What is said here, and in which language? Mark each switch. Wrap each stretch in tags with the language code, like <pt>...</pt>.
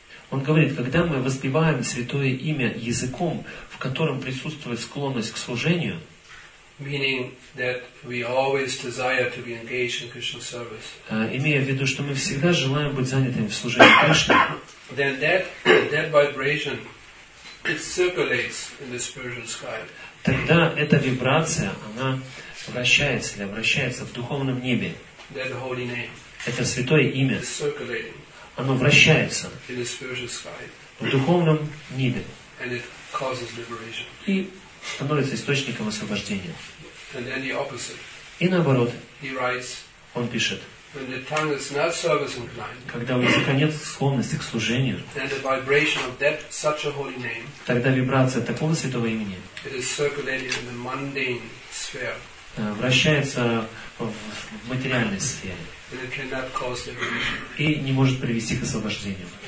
<ru>Он говорит, когда мы воспеваем святое имя языком, в котором присутствует склонность к служению,</ru> <en>meaning that we always desire to be engaged in Krishna service.</en> <ru>Имея в виду, что мы всегда желаем быть занятыми в служении Кришне.</ru> <en>Then that vibration, it circulates in the spiritual sky.</en> <ru>Тогда эта вибрация, она вращается или обращается в духовном небе.</ru> <en>That holy name.</en> <ru>Это святое имя.</ru> <en>It's circulating.</en> <ru>Оно вращается</ru> <en>in the spiritual sky.</en> <ru>В духовном небе.</ru> <en>And it causes liberation.</en> <ru>И становится источником освобождения.</ru> <en>And then the opposite.</en> <ru>И наоборот,</ru> <en>he writes,</en> <ru>он пишет,</ru> <en>when the tongue is not service inclined,</en> <ru>когда у языка нет склонности к служению,</ru> <en>then the vibration of that, such a holy name,</en> <ru>тогда вибрация такого святого имени,</ru> <en>it is circulating in the mundane sphere,</en> <ru>вращается в материальной сфере,</ru> <en>and it cannot cause liberation.</en> <ru>И не может привести к освобождению.</ru>